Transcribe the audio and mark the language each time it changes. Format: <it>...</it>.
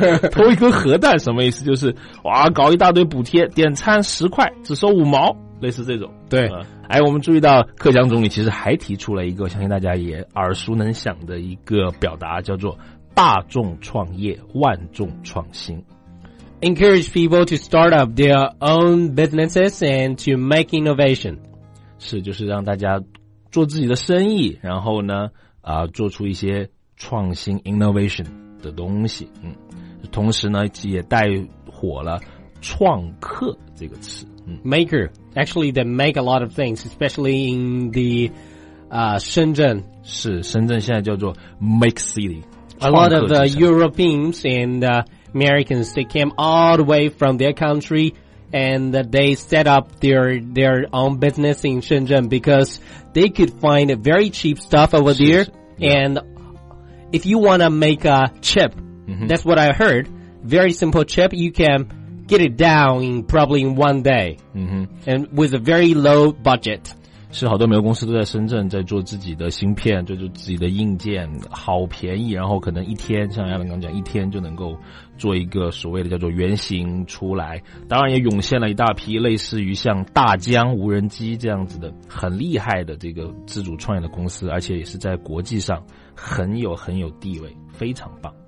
<zh>投一颗核弹什么意思？就是哇，搞一大堆补贴，点餐10块只收5毛，类似这种。对，哎，我们注意到克强总理其实还提出了一个，相信大家也耳熟能详的一个表达，叫做。大众创业，万众创新。</zh> <en>Encourage people to start up their own businesses and to make innovation.</en> <zh>是，就是让大家做自己的生意，然后呢，做出一些创新 innovation 的东西。嗯，同时呢，也带火了"创客"这个词。嗯</zh> <en>，maker actually they make a lot of things, especially in the 深圳。</en> <zh>是，深圳现在叫做 make city。</zh> <en>A lot of the Europeans and Americans, they came all the way from their country and they set up their own business in Shenzhen because they could find very cheap stuff over there. And if you want to make a chip, that's what I heard, very simple chip, you can get it down in probably in one day and with a very low budget.</en> <zh>是好多美国公司都在深圳在做自己的芯片，就自己的硬件，好便宜，然后可能一天，像亚伦刚讲，一天就能够做一个所谓的叫做原型出来。当然也涌现了一大批类似于像大疆无人机这样子的很厉害的这个自主创业的公司，而且也是在国际上很有地位，非常棒。</zh>